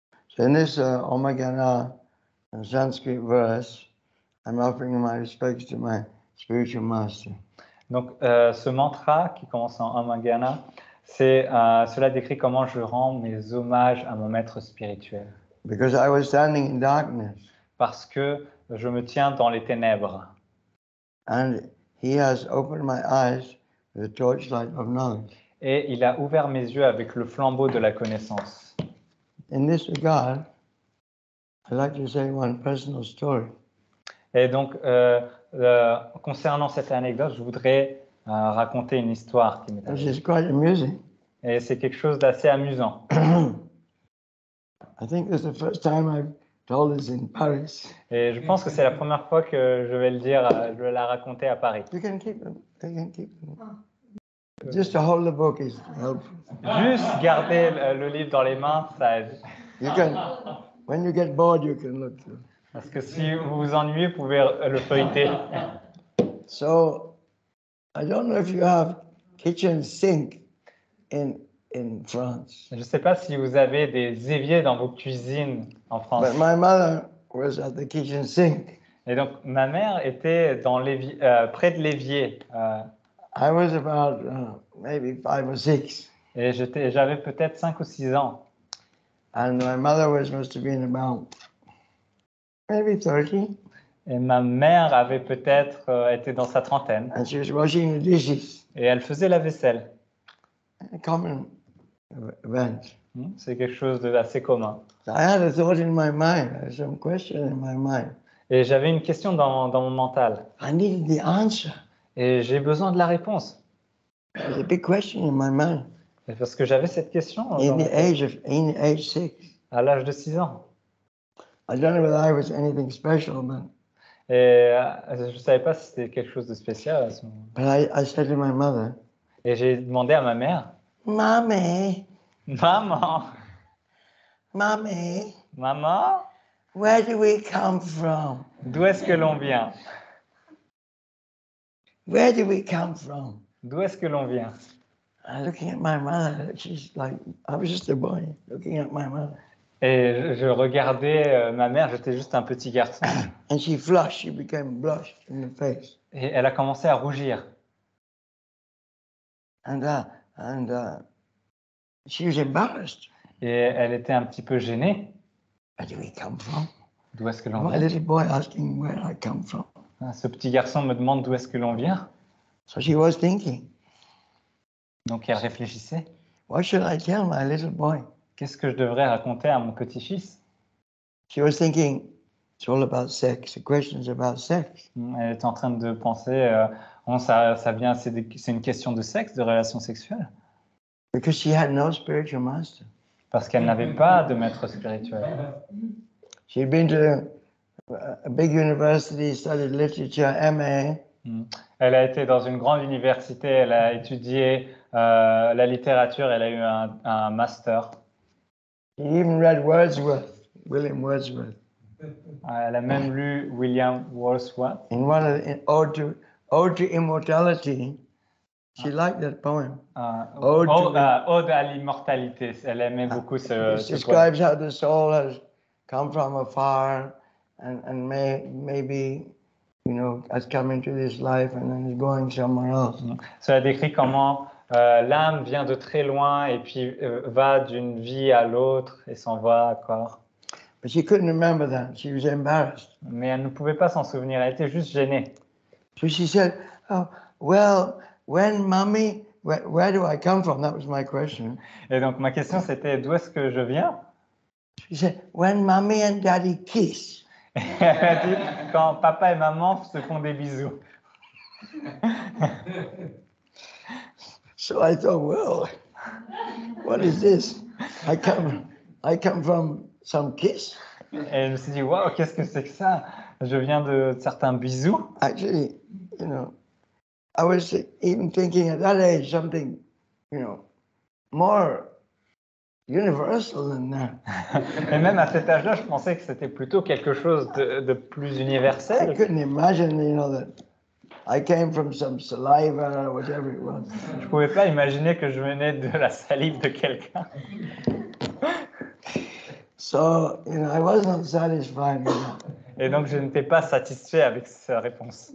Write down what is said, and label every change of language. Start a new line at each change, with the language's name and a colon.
English: So in this Om Magana Sanskrit verse I'm offering my respects to my spiritual master.
French: Donc, ce mantra qui commence en Amagana, cela décrit comment je rends mes hommages à mon maître spirituel.
English: Because I was standing in darkness.
French: Parce que je me tiens dans les ténèbres.
English: And he has opened my eyes with the torchlight of knowledge.
French: Et il a ouvert mes yeux avec le flambeau de la connaissance.
English: In this regard, I'd like to say one personal story.
French: Et donc, concernant cette anecdote, je voudrais raconter une histoire qui m'est arrivée.
English: This is quite amusing.
French: Et c'est quelque chose d'assez amusant.
English: I think this is the first time I've told this in Paris.
French: Et je pense que c'est la première fois que je vais le dire, je vais la raconter à Paris.
English: You can keep them. You can keep them. Just to hold the book is helpful.
French: Juste garder le livre dans les mains, ça aide.
English: You can, when you get bored, you can look through.
French: Parce que si vous vous ennuyez, vous pouvez le feuilleter.
English: So, I don't know if you have kitchen sink in France.
French: Je ne sais pas si vous avez des éviers dans vos cuisines en France.
English: But my mother was at the kitchen sink.
French: Et donc ma mère était dans l'évier, près de l'évier.
English: I was about maybe 5 or 6.
French: Et j'avais peut-être 5 ou 6 ans.
English: And my mother was must have been about. Maybe 30.
French: Et ma mère avait peut-être été dans sa trentaine.
English: And she was washing the dishes.
French: Et elle faisait la vaisselle.
English: A common event.
French: C'est quelque chose d'assez commun.
English: I had a thought in my mind. I had some question in my mind.
French: Et j'avais une question dans mon mental.
English: I needed the answer.
French: Et j'ai besoin de la réponse.
English: A big question in my mind.
French: Et parce que j'avais cette question.
English: In the age of six.
French: À l'âge de 6 ans.
English: I don't know whether I was anything special, but.
French: Et je savais pas si c'était quelque chose de spécial à ce moment.
English: But I said to my mother.
French: Et j'ai demandé à ma mère.
English: Mamé.
French: Maman.
English: Mamé.
French: Maman.
English: Where do we come from?
French: D'où est-ce que l'on vient?
English: Where do we come from?
French: D'où est-ce que l'on vient?
English: Looking at my mother, she's like, I was just a boy looking at my mother.
French: Et je regardais ma mère, j'étais juste un petit garçon.
English: And she flushed, she became blushed in the face.
French: Et elle a commencé à rougir.
English: And she was embarrassed.
French: Et elle était un petit peu gênée.
English: Where do we come from?
French: D'où est-ce que l'on vient?
English: My little boy asking where I come from.
French: Ce petit garçon me demande d'où est-ce que l'on vient.
English: So she was thinking.
French: Donc elle réfléchissait.
English: What should I tell my little boy?
French: Qu'est-ce que je devrais raconter à mon petit-fils?
English: She was thinking, it's all about sex. The question's about sex.
French: Elle est en train de penser, c'est une question de sexe, de relation sexuelle.
English: Because she had no spiritual master.
French: Parce qu'elle n'avait pas de maître spirituel.
English: She'd been to a big university, studied literature, MA.
French: Elle a été dans une grande université, elle a étudié la littérature, elle a eu un master.
English: She even read Wordsworth, William Wordsworth.
French: Elle a même lu William Wordsworth.
English: In one of the Ode to Immortality, she liked that poem.
French: Ode à l'immortalité, elle aimait beaucoup ce poème.
English: It describes how the soul has come from afar and maybe, you know, has come into this life and then is going somewhere else.
French: Ça décrit comment l'âme vient de très loin et puis va d'une vie à l'autre et s'en va encore.
English: But she couldn't remember that. She was embarrassed.
French: Mais elle ne pouvait pas s'en souvenir. Elle était juste gênée.
English: So she said, oh, well, when mommy, where do I come from? That was my question.
French: Et donc ma question c'était, d'où est-ce que je viens?
English: She said, when mommy and daddy kiss.
French: Et elle a dit, quand papa et maman se font des bisous.
English: So I thought, well, what is this? I come from some kiss.
French: Et je me suis dit, wow, qu'est-ce que c'est que ça? Je viens de certains bisous.
English: Actually, you know, I was even thinking at that age something, you know, more universal than that.
French: Et même à cet âge-là, je pensais que c'était plutôt quelque chose de plus universel.
English: I couldn't imagine, you know, that I came from some saliva or whatever it was.
French: Je pouvais pas imaginer que je venais de la salive de quelqu'un.
English: So, you know, I was not satisfied with that.
French: Et donc je n'étais pas satisfait avec sa réponse.